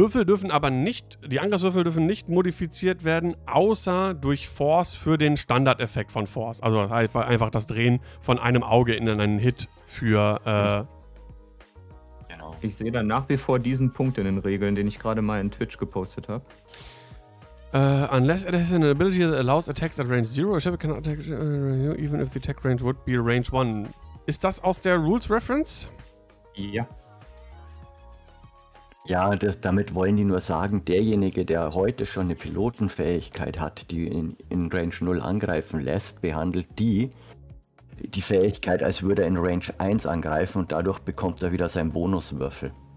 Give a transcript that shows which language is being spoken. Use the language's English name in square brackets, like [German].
[German] Die Angriffswürfel dürfen nicht modifiziert werden, außer durch Force für den Standardeffekt von Force. Also einfach das Drehen von einem Auge in einen Hit für... Ich sehe dann nach wie vor diesen Punkt in den Regeln, den ich gerade mal in Twitch gepostet habe. [English] Unless it has an ability that allows attacks at range 0, a ship cannot attack even if the attack range would be range 1. [German] Ist das aus der Rules Reference? Ja. Ja, damit wollen die nur sagen, derjenige, der heute schon eine Pilotenfähigkeit hat, die in Range 0 angreifen lässt, behandelt die Fähigkeit, als würde er in Range 1 angreifen und dadurch bekommt er wieder seinen Bonuswürfel.